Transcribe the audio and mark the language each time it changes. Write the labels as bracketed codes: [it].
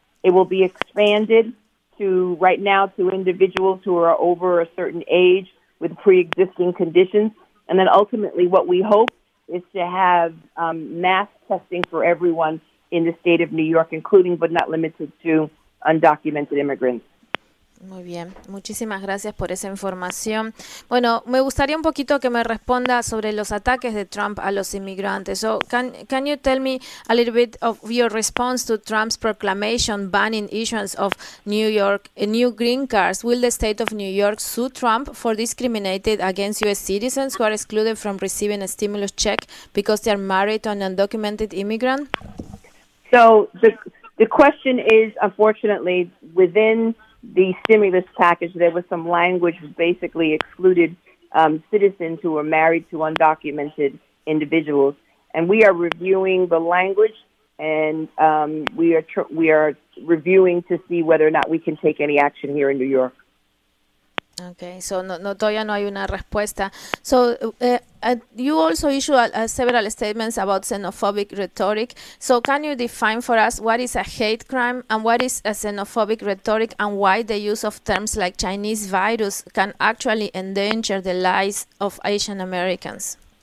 [en] It will be expanded to individuals who are over a certain age with pre-existing conditions. And then ultimately what we hope is to have mass testing for everyone in the state of New York, including but not limited to undocumented immigrants. [es] Muy bien, muchísimas gracias por esa información. Bueno, me gustaría un poquito que me responda sobre los ataques de Trump a los inmigrantes. [en] So, can you tell me a little bit of your response to Trump's proclamation banning issuance of new green cards? Will the state of New York sue Trump for discriminating against U.S. citizens who are excluded from receiving a stimulus check because they are married to an undocumented immigrant? So, the question is, unfortunately, within the stimulus package, there was some language that basically excluded citizens who were married to undocumented individuals. And we are reviewing the language, and we are reviewing to see whether or not we can take any action here in New York. Okay, so [es] no, todavía no hay una respuesta. [en] So you also issue several statements about xenophobic rhetoric. So can you define for us what is a hate crime and what is a xenophobic rhetoric and why the use of terms like Chinese virus can actually endanger the lives of Asian Americans?